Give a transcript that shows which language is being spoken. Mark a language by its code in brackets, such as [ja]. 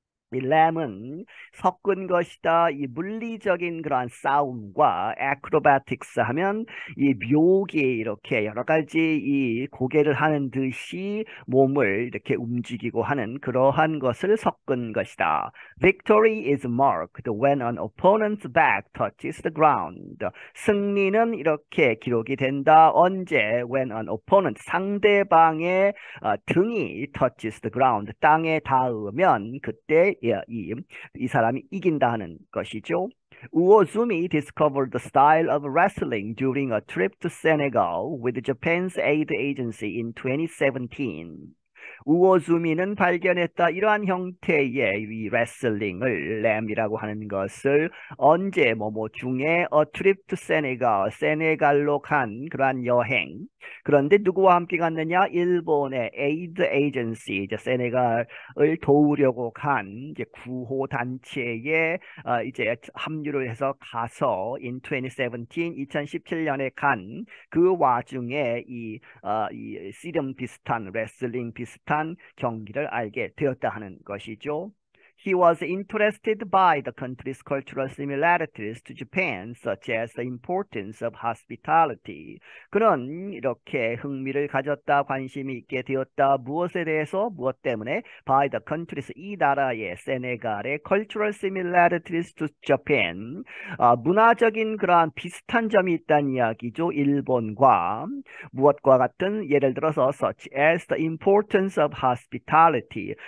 [ko] 이 램은 섞은 것이다. 이 물리적인 그러한 싸움과 아크로바틱스 하면 이 묘기 이렇게 여러 가지 이 고개를 하는 듯이 몸을 이렇게 움직이고 하는 그러한 것을 섞은 것이다. [en] Victory is marked when an opponent's back touches the ground. [ko] 승리는 이렇게 기록이 된다. 언제? [en] When an opponent [ko] 상대방의 등이 [en] touches the ground [ko] 땅에 닿으면 그때 이 사람이 이긴다 하는 것이죠. [en] Uozumi discovered the style of wrestling during a trip to Senegal with Japan's aid agency in 2017. [ko] 우오즈미는 발견했다. 이러한 형태의 이 레슬링을 램이라고 하는 것을 언제 뭐뭐 중에 [en] A trip to Senegal, [ko] 세네갈로 간 그러한 여행. 그런데 누구와 함께 갔느냐? 일본의 에이드 에이전시, 이제 세네갈을 도우려고 간 이제 구호 단체에 이제 합류를 해서 가서 [en] in 2017, [ko] 2017년에 간그 와중에 이 씨름 비슷한 레슬링 비슷한 경기를 알게 되었다 하는 것이죠. [en] He was interested by the country's cultural similarities to Japan, such as the importance of hospitality. [ko] 그는 이렇게 흥미를 가졌다, 관심이 있게 되었다. 무엇에 대해서, 무엇 때문에? [en] By the country's [ko] 이 나라의 세네갈의 [en] cultural similarities to Japan. [ko] 문화적인 그러한 비슷한 점이 있다는 이야기죠. 일본과 무엇과 같은 예를 들어서 [en] such as the importance of hospitality.